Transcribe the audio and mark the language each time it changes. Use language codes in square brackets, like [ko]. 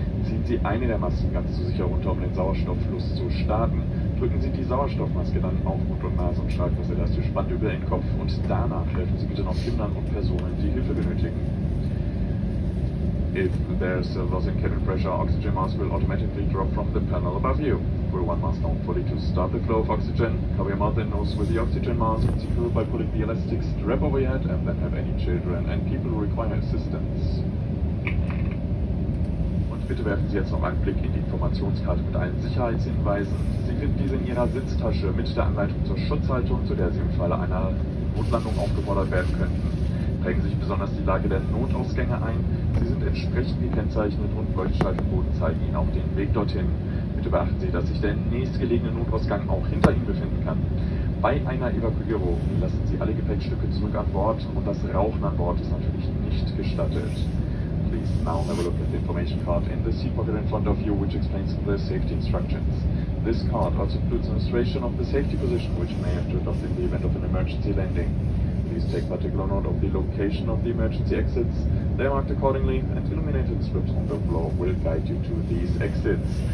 [de] Ziehen Sie eine der Masken ganz zu sich herunter, um den Sauerstofffluss zu starten. Drücken Sie die Sauerstoffmaske dann auf Mund und Nase und schlagen das elastische Band über den Kopf. Und danach helfen Sie bitte noch Kindern und Personen, die Hilfe benötigen. [en] If there's a loss in cabin pressure, oxygen mask will automatically drop from the panel above you. Pull one mask down fully to start the flow of oxygen. Cover your mouth and nose with the oxygen mask. Secure it by pulling the elastic strap over your head, and then have any children and people who require assistance. [de] Und bitte werfen Sie jetzt noch einen Blick in die Informationskarte mit allen Sicherheitshinweisen. Sie finden diese in Ihrer Sitztasche mit der Anleitung zur Schutzhaltung, zu der Sie im Falle einer Notlandung aufgefordert werden könnten. Prägen sich besonders die Lage der Notausgänge ein. Sie sind entsprechend gekennzeichnet und Leuchtschaltboden zeigen Ihnen auch den Weg dorthin. Bitte beachten Sie, dass sich der nächstgelegene Notausgang auch hinter Ihnen befinden kann. Bei einer Evakuierung lassen Sie alle Gepäckstücke zurück an Bord und das Rauchen an Bord ist natürlich nicht gestattet. [en] Please now have a look at the information card in the seat pocket in front of you, which explains the safety instructions. This card also includes an illustration of the safety position, which may have to adopt in the event of an emergency landing. Please take particular note of the location of the emergency exits. They are marked accordingly, and illuminated strips on the floor will guide you to these exits.